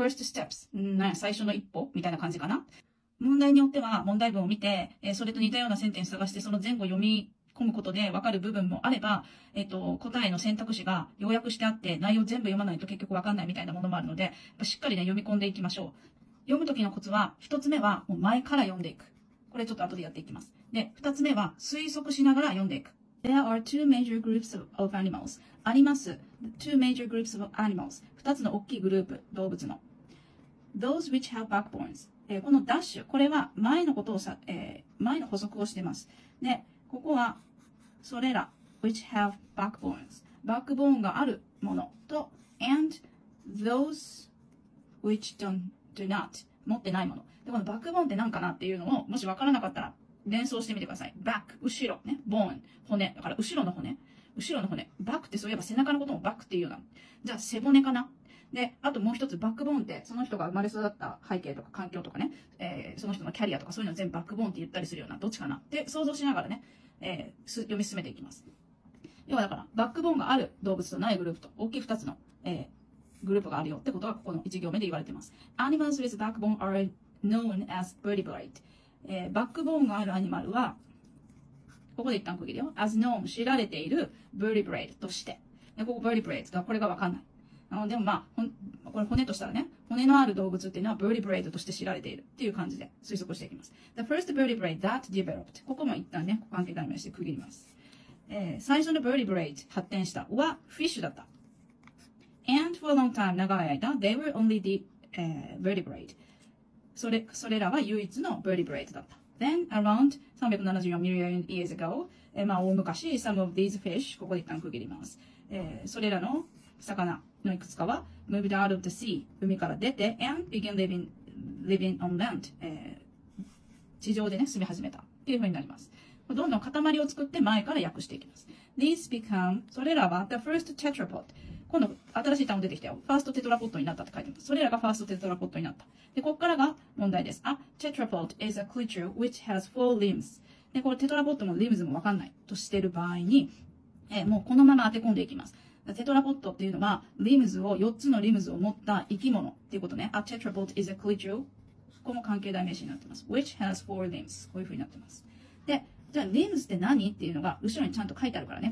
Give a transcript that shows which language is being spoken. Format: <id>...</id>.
<en>First steps、</en> <ja>なんや、最初の一歩みたいな感じかな。問題によっては問題文を見て、それと似たようなセンテンス探して、その前後読み込むことで分かる部分もあれば、答えの選択肢が要約してあって、内容全部読まないと結局分かんないみたいなものもあるので、しっかりね、読み込んでいきましょう。読むときのコツは、一つ目はもう前から読んでいく。これちょっと後でやっていきます。で、二つ目は推測しながら読んでいく。</ja> <en>There are two major groups of animals.</en> <ja>あります。</ja> <en>Two major groups of animals.</en> <ja>二つの大きいグループ、動物の。</ja> <en>Those which have backbones.、</en> <ja>このダッシュ、これは前のことをさ、前の補足をしてます。で、ここは、それら、</ja> <en>which have backbones。</en> <ja>バックボーンがあるものと、</ja> <en>and those which do not。</en> <ja>持ってないもの。で、このバックボーンって何かなっていうのを、もし分からなかったら、連想してみてください。バック、後ろ、ね。ボーン、骨。だから、後ろの骨。後ろの骨。バックってそういえば背中のこともバックっていうような。じゃあ、背骨かな。で、あともう一つ、バックボーンって、その人が生まれ育った背景とか環境とかね、その人のキャリアとかそういうの全部バックボーンって言ったりするような、どっちかなって想像しながらね、読み進めていきます。要はだから、バックボーンがある動物とないグループと、大きい二つの、グループがあるよってことが、ここの一行目で言われています。</ja> <en>Animals with backbone are known as vertebrate.</en> <ja>バックボーンがあるアニマルは、ここで一旦区切るよ。</ja> <en>as known,</en> <ja>知られている vertebrate として。で、ここ vertebrate がこれがわかんない。でもまあ、これ骨としたらね、骨のある動物っていうのは vertebrate として知られているっていう感じで推測していきます。</ja> <en>The first vertebrate that developed.</en> <ja>ここも一旦ね、関係代名詞で区切ります。最初の vertebrate 発展したはフィッシュだった。</ja> <en>And for a long time,</en> <ja>長い間、</ja> <en>they were only the、vertebrate.</en> <ja>それらは唯一の vertebrate だった。</ja> <en>Then, around 374 million years ago,</en> <ja>まあ大昔、</ja> <en>some of these fish,</en> <ja>ここで一旦区切ります。それらの魚のいくつかは、</ja> <en>moved out of the sea,</en> <ja>海から出て、</ja> <en>and began living on land,、</en> <ja>地上でね、住み始めた。っていうふうになります。どんどん塊を作って前から訳していきます。</ja> <en>These become,</en> <ja>それらは</ja> <en>the first tetrapod.</en> <ja>今度、新しい単語出てきたよ。ファーストテトラポッドになったって書いてます。それらがファーストテトラポッドになった。で、こっからが問題です。あ、</ja> <en>tetrapod is a creature which has four limbs.</en> <ja>で、これテトラポッドも limbs もわかんないとしてる場合に、もうこのまま当て込んでいきます。テトラポッドっていうのは、limbs を、4つの limbs を持った生き物っていうことね。</ja> <en>あ、tetrapod is a creature。</en> <ja>ここも関係代名詞になってます。</ja> <en>which has four limbs。</en> <ja>こういう風になってます。で、じゃあ、limbs って何っていうのが、後ろにちゃんと書いてあるからね。</ja>